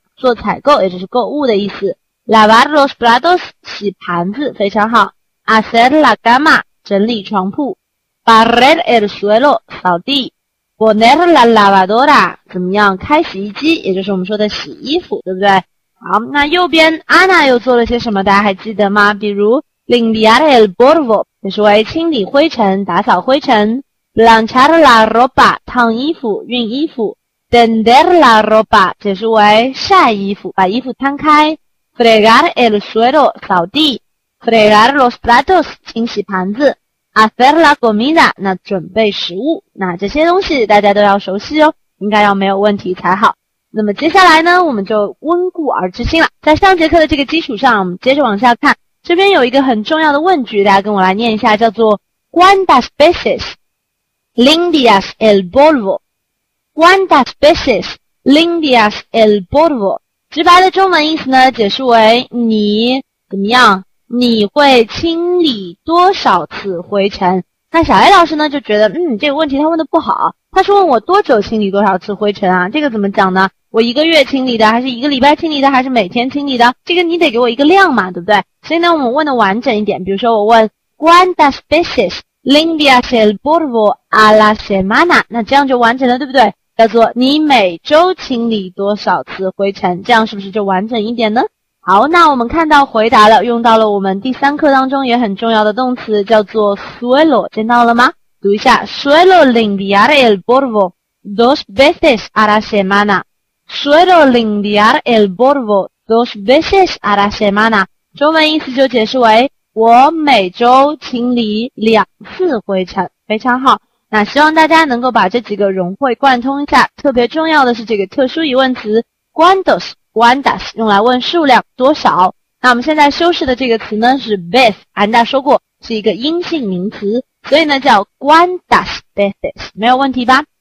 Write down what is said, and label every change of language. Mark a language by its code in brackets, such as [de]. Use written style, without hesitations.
[zh] 做采购，也就是购物的意思。 [es] lavar los platos [zh] 洗盘子，非常好。 [es] hacer la cama [zh] 整理床铺。 [es] Barrer el suelo [zh] 扫地， [es] poner la lavadora [zh] 怎么样？开洗衣机，也就是我们说的洗衣服，对不对？好，那右边 Ana 又做了些什么？大家还记得吗？比如 [es] limpiar el polvo， [zh] 也是为清理灰尘，打扫灰尘。 [es] Planchar la ropa， [zh] 烫衣服，熨衣服。 [es] Tender la ropa， [zh] 也是为晒衣服，把衣服摊开。 [es] Fregar el suelo， [zh] 扫地。 [es] Fregar los platos， [zh] 清洗盘子。 [es] Hacer la comida， [zh] 那准备食物，那这些东西大家都要熟悉哦，应该要没有问题才好。那么接下来呢，我们就温故而知新了，在上节课的这个基础上，我们接着往下看，这边有一个很重要的问句，大家跟我来念一下，叫做 [es] ¿Cuántas veces limpias el polvo? ¿Cuántas veces limpias el polvo? [zh] 直白的中文意思呢，解释为你怎么样？你会清理多少次灰尘？那小 A 老师呢，就觉得这个问题他问的不好，他是问我多久清理多少次灰尘啊？这个怎么讲呢？我一个月清理的，还是一个礼拜清理的，还是每天清理的？这个你得给我一个量嘛，对不对？所以呢，我们问的完整一点，比如说我问 [es] ¿Cuántas veces limpias el polvo a la semana? [zh] 那这样就完整了，对不对？叫做你每周清理多少次灰尘，这样是不是就完整一点呢？好，那我们看到回答了，用到了我们第三课当中也很重要的动词，叫做 suelo, 见到了吗？读一下 [es] suelo limpiar el polvo dos veces a la semana suelo limpiar el polvo dos veces a la semana [zh] 中文意思就解释为我每周清理两次灰尘，非常好。那希望大家能够把这几个融会贯通一下，特别重要的是这个特殊疑问词 cuántos cuántas 用来问数量多少。那我们现在修饰的这个词呢是 vez, 安大说过是一个阴性名词，所以呢叫 [es] cuántas veces, [zh] 没有问题吧？